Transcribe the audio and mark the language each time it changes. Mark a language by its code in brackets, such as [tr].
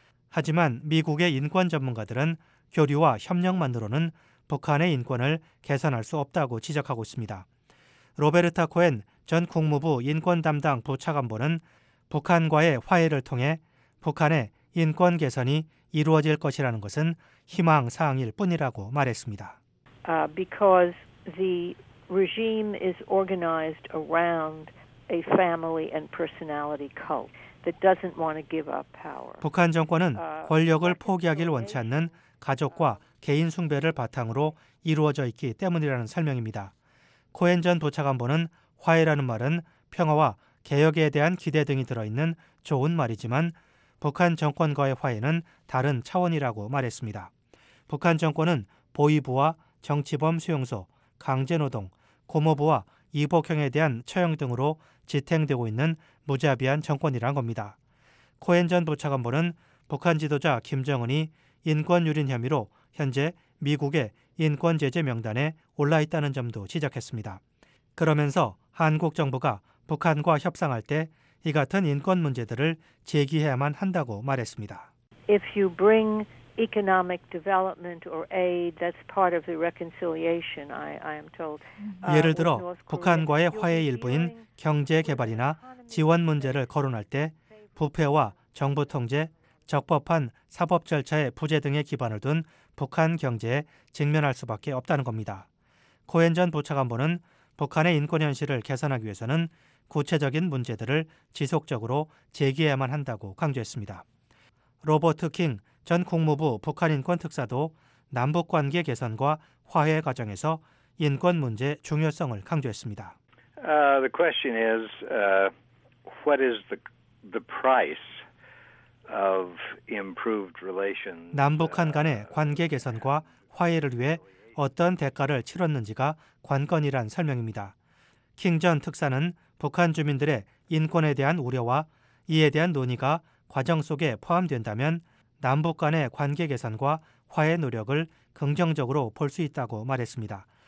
[ko] 하지만 미국의 인권 전문가들은 교류와 협력만으로는 북한의 인권을 개선할 수 없다고 지적하고 있습니다. 로베르타 코엔 전 국무부 인권 담당 부차관보는 북한과의 화해를 통해 북한의 인권 개선이 이루어질 것이라는 것은 희망사항일 뿐이라고 말했습니다. [en] Because the regime is organized around a family and personality cult that doesn't want to give up power. [ko] 북한 정권은 권력을 포기하길 원치 않는 가족과 개인 숭배를 바탕으로 이루어져 있기 때문이라는 설명입니다. 코엔 전 부차관보는 화해라는 말은 평화와 개혁에 대한 기대 등이 들어있는 좋은 말이지만 북한 정권과의 화해는 다른 차원이라고 말했습니다. 북한 정권은 보위부와 정치범 수용소, 강제노동, 고모부와 이복형에 대한 처형 등으로 지탱되고 있는 무자비한 정권이란 겁니다. 코엔 전 부차관보는 북한 지도자 김정은이 인권 유린 혐의로 현재 미국의 인권 제재 명단에 올라 있다는 점도 지적했습니다. 그러면서 한국 정부가 북한과 협상할 때 이 같은 인권 문제들을 제기해야만 한다고 말했습니다. [en] If you bring economic development or aid that's part of the reconciliation I am told. [ko] 예를 들어 북한과의 화해 일부인 경제 개발이나 지원 문제를 거론할 때 부패와 정부 통제, 적법한 사법 절차의 부재 등에 기반을 둔 북한 경제에 직면할 수밖에 없다는 겁니다. 코엔 전 부차관보는 북한의 인권 현실을 개선하기 위해서는 구체적인 문제들을 지속적으로 제기해야만 한다고 강조했습니다. 로버트 킹 전 국무부 북한인권특사도 남북관계 개선과 화해 과정에서 인권 문제 중요성을 강조했습니다. [en] The question is, what is the price of improved relations? [ko] 남북한 간의 관계 개선과 화해를 위해 어떤 대가를 치렀는지가 관건이란 설명입니다. 킹 전 특사는 북한 주민들의 인권에 대한 우려와 이에 대한 논의가 과정 속에 포함된다면 남북 간의 관계 개선과 화해 노력을 긍정적으로 볼 수 있다고 말했습니다.